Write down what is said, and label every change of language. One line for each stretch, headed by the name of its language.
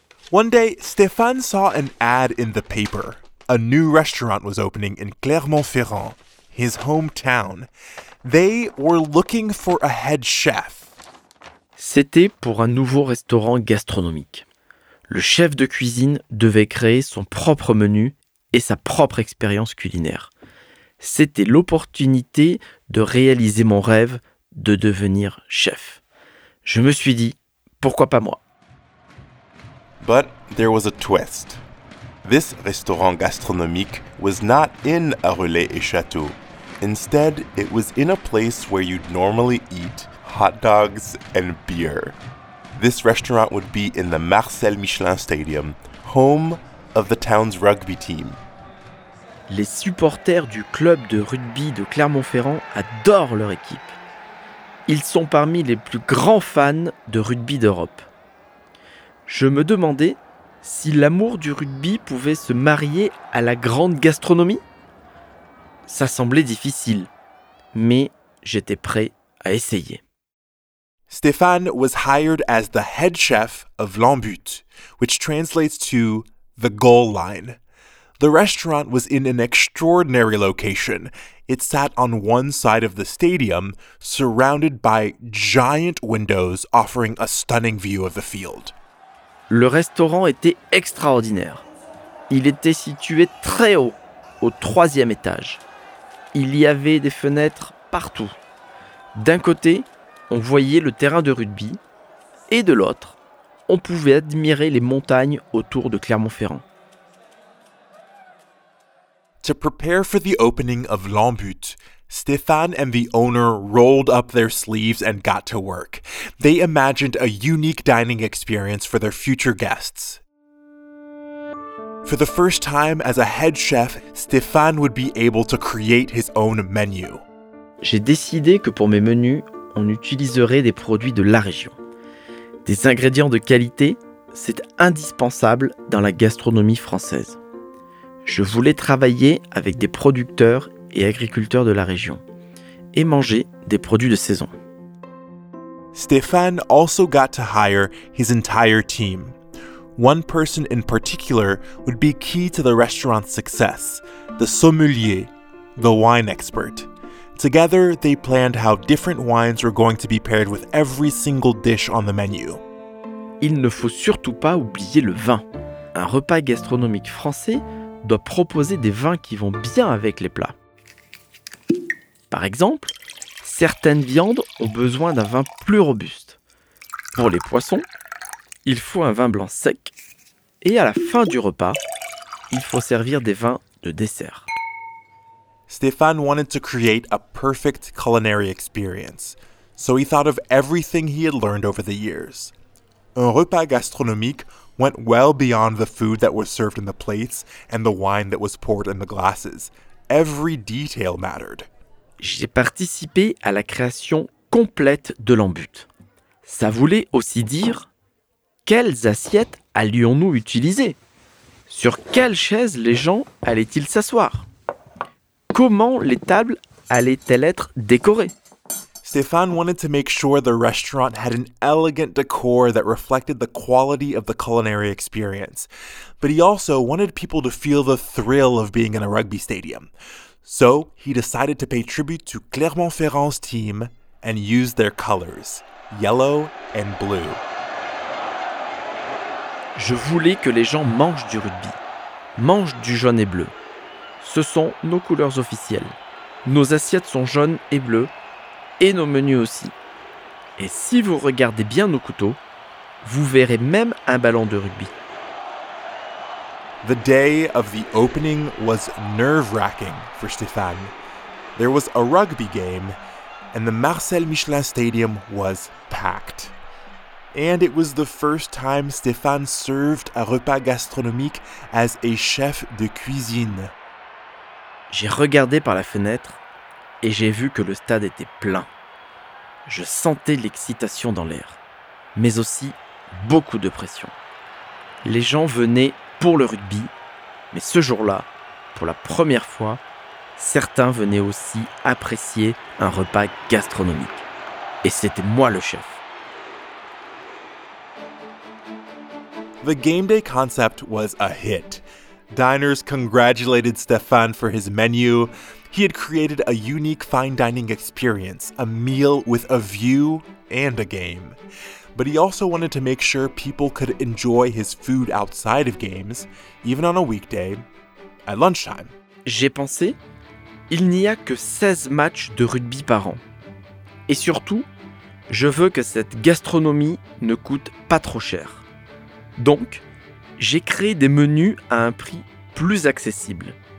English: One day, Stéphane saw an ad in the paper. A new restaurant was opening in Clermont-Ferrand, his hometown. They were looking for a head chef.
French: C'était pour un nouveau restaurant gastronomique. Le chef de cuisine devait créer son propre menu et sa propre expérience culinaire. C'était l'opportunité de réaliser mon rêve de devenir chef. Je me suis dit, pourquoi pas moi?
English: But there was a twist. This
French: restaurant gastronomique
English: was not in a
French: relais et château.
English: Instead, it was in a place where you'd normally eat hot dogs and beer. This restaurant would be in the Marcel Michelin Stadium, home of the town's rugby team.
French: Les supporters du club de rugby de Clermont-Ferrand adorent leur équipe. Ils sont parmi les plus grands fans de rugby d'Europe. Je me demandais si l'amour du rugby pouvait se marier à la grande gastronomie. Ça semblait difficile, mais j'étais prêt à essayer.
English: Stéphane was hired as the head chef of L'Embut, which translates to the goal line. The restaurant was in an extraordinary location. It sat on one side of the stadium, surrounded by giant windows offering a stunning view of the field.
French: Le restaurant était extraordinaire. Il était situé très haut, au troisième étage. Il y avait des fenêtres partout. D'un côté, on voyait le terrain de rugby, et de l'autre, on pouvait admirer les montagnes autour de Clermont-Ferrand.
English: To prepare for the opening of L'Embûte, Stéphane and the owner rolled up their sleeves and got to work. They imagined a unique dining experience for their future guests. For the first time as a head chef, Stéphane would be able to create his own menu.
French: J'ai décidé que pour mes menus, on utiliserait des produits de la région. Des ingrédients de qualité, c'est indispensable dans la gastronomie française. Je voulais travailler avec des producteurs et agriculteurs de la région et manger des produits de saison.
English: Stéphane also got to hire his entire team. One person in particular would be key to the restaurant's success, the sommelier, the wine expert. Together, they planned how different wines were going to be paired with every single dish on the menu.
French: Il ne faut surtout pas oublier le vin. Un repas gastronomique français doit proposer des vins qui vont bien avec les plats. Par exemple, certaines viandes ont besoin d'un vin plus robuste. Pour les poissons, il faut un vin blanc sec. Et à la fin du repas, il faut servir des vins de dessert.
English: Stéphane wanted to create a perfect culinary experience, so he thought of everything he had learned over the years.
French: Un repas gastronomique
English: went well beyond the food that was served in the plates and the wine that was poured in the glasses. Every detail mattered.
French: J'ai participé à la création complète de l'embûte. Ça voulait aussi dire quelles assiettes allions-nous utiliser? Sur quelles chaises les gens allaient-ils s'asseoir? Comment les tables allaient-elles être décorées?
English: Stéphane wanted to make sure the restaurant had an elegant decor that reflected the quality of the culinary experience. But he also wanted people to feel the thrill of being in a rugby stadium. So he decided to pay tribute to Clermont-Ferrand's team and use their colors, yellow and blue.
French: Je voulais que les gens mangent du rugby, mangent du jaune et bleu. Ce sont nos couleurs officielles. Nos assiettes sont jaunes et bleues, et nos menus aussi. Et si vous regardez bien nos couteaux, vous verrez même un ballon de rugby.
English: The day of the opening was nerve-wracking for Stéphane. There was a rugby game, and the Marcel Michelin Stadium was packed. And it was the first time Stéphane served a
French: repas gastronomique
English: as a
French: chef de cuisine. J'ai regardé par la fenêtre et j'ai vu que le stade était plein. Je sentais l'excitation dans l'air, mais aussi beaucoup de pression. Les gens venaient pour le rugby, mais ce jour-là, pour la première fois, certains venaient aussi apprécier un repas gastronomique. Et c'était moi le chef.
English: The game day concept was a hit. Diners congratulated Stéphane for his menu. He had created a unique fine dining experience, a meal with a view and a game. But he also wanted to make sure people could enjoy his food outside of games, even on a weekday, at lunchtime.
French: J'ai pensé, il n'y a que 16 matchs de rugby par an. Et surtout, je veux que cette gastronomie ne coûte pas trop cher. Donc, j'ai créé des menus à un prix plus accessible.